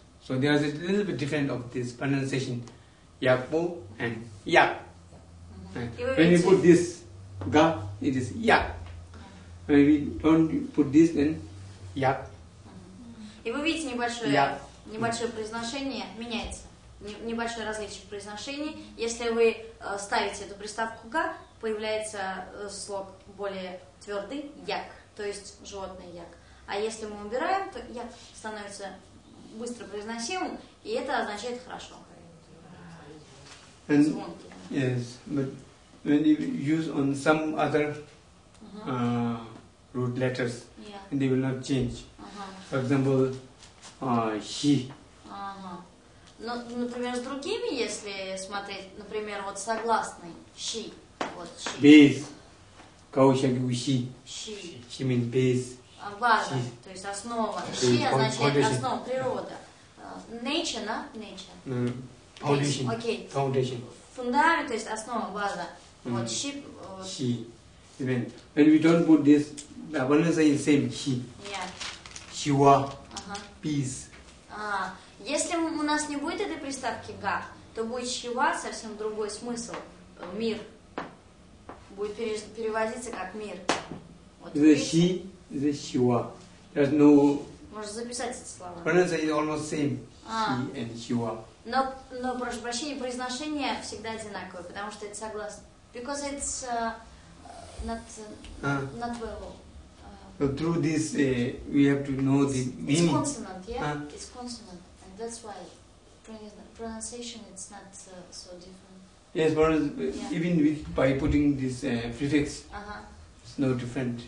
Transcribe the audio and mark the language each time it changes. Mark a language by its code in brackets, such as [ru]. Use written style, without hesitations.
[en] So there is a little bit different of this pronunciation. Yapo and yak. Mm-hmm. When you put this ga, it is yak. When we don't put this, then yak. [ru] И вы видите небольшое произношение меняется. Небольшое различие в произношении. Если вы ставите эту приставку «га», появляется слог более твердый «як», то есть животное «як». А если мы убираем, то «як» становится быстро произносимым, и это означает «хорошо». [en] And, yes, but when you use on some other root letters, yeah. they will not change. Uh-huh. For example, «he». [ru] Но, например, с другими, если смотреть, например, вот согласный she, вот she. Без. Каушаги у she. [en] She. She means без. [ru] Важно, то есть основа. She означает основа, природа. [en] Nature, на? Nature. Foundation. [ru] Окей. [en] Foundation. [ru] Фундамент, то есть основа, база. Вот she. [en] She. Even when we don't put this, the one is the same, she. Yeah. She wa. Peace. [ru] Если у нас не будет этой приставки «га», то будет «щива» совсем другой смысл. «Мир». Будет переводиться как «мир». [en] Вот «The she», «the щива». There's no... [ru] Можно записать эти слова. [en] Pronunciation is almost same. «She» and «щива». [ru] Но, прошу прощения, произношение всегда одинаковое, потому что это согласно. [en] Because it's not well. So through this, we have to know the meaning. It's consonant, yeah? It's consonant. That's why pronunciation it's not so different. Yes, but even with by putting this prefix, it's no different.